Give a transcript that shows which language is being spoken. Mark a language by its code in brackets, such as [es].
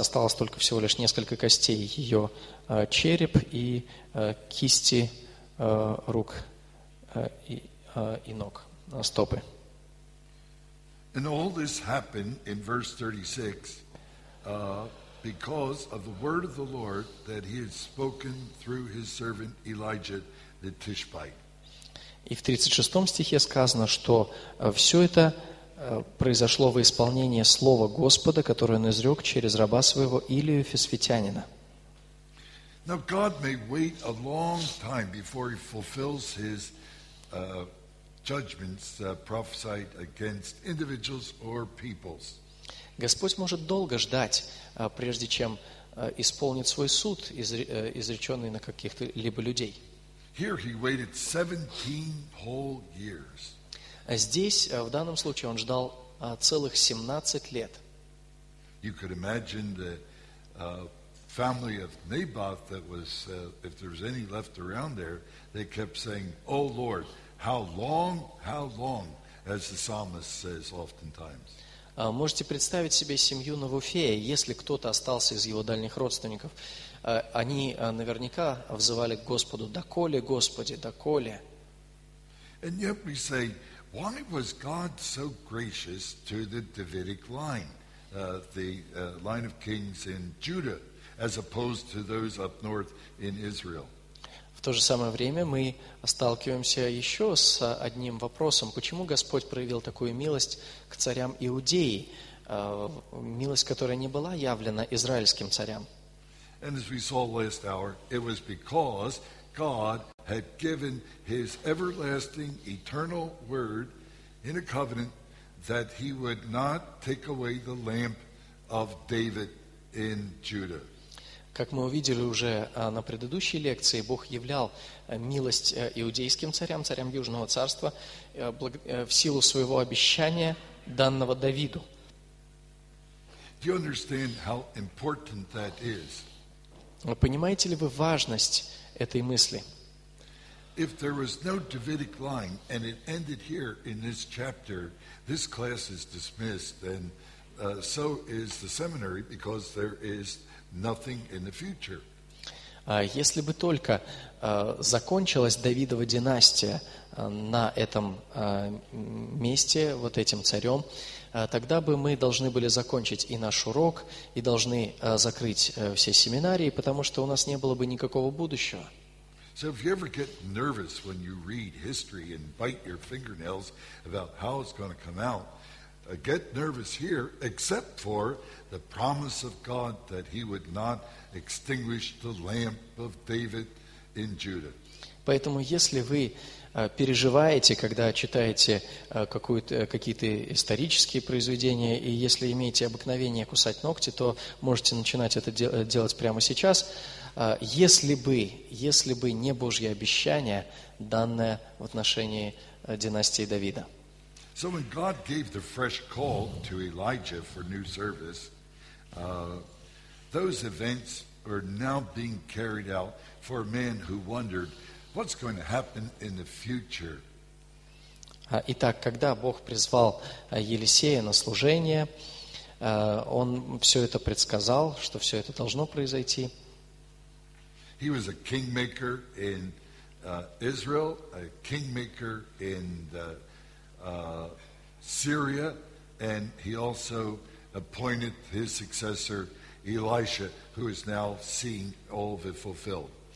[ru] Осталось только всего лишь несколько костей, ее череп и кисти рук и ног, стопы. [en] And all this happened in verse 36 because of the word of the Lord that he had spoken through his servant Elijah the Tishbite. [ru] И в 36 стихе сказано, что все это произошло во исполнение слова Господа, которое он изрек через раба своего Илию Фесфитянина. [en] Now God may wait a long time before he fulfills his judgments prophesied against individuals or peoples. [ru] Господь может долго ждать, прежде чем исполнит свой суд, изреченный на каких-либо людей. [en] Here he waited 17 whole years. [ru] Здесь, в данном случае, он ждал целых 17 лет. [en] You could imagine the family of Naboth that was, if there was any left around there, they kept saying, "Oh Lord, how long," as the psalmist says oftentimes. [ru] Можете представить себе семью Навуфея, если кто-то остался из его дальних родственников. Они наверняка взывали к Господу: «Доколе, Господи, доколе?» [en] And yet we say, why was God so gracious to the Davidic line, the line of kings in Judah, as opposed to those up north in Israel? [ru] В то же самое время мы сталкиваемся еще с одним вопросом. Почему Господь проявил такую милость к царям Иудеи, милость, которая не была явлена израильским царям? [en] And as we saw last hour, it was because God had given his everlasting, eternal word in a covenant that he would not take away the lamp of David in Judah. [ru] Как мы увидели уже на предыдущей лекции, Бог являл милость иудейским царям, царям Южного Царства, в силу своего обещания, данного Давиду. [en] Do you understand how important that is? [ru] Понимаете ли вы важность этой мысли? [en] If there was no Davidic line and it ended here in this chapter, this class is dismissed, and so is the seminary, because there is nothing in the future. [ru] Если бы только закончилась Давидова династия на этом месте, вот этим царем, тогда бы мы должны были закончить и наш урок, и должны закрыть все семинарии, потому что у нас не было бы никакого будущего. [en] So if you ever get nervous when you read history and bite your fingernails about how it's going to come out, get nervous here, except for the promise of God that he would not extinguish the lamp of David in Judah. [ru] Поэтому, если вы переживаете, когда читаете какие-то исторические произведения, и если имеете обыкновение кусать ногти, то можете начинать это делать прямо сейчас. Если бы не Божье обещание, данное в отношении династии Давида. [en] So when God gave the fresh call to Elijah for new service, those events are now being carried out for a man who wondered what's going to happen in the future. [ru] Итак, когда Бог призвал Елисея на служение, он все это предсказал, что все это должно произойти. [en] He was a kingmaker in Israel, a kingmaker in the Syria, and he also appointed his successor Elisha, who is now seeing all of it fulfilled.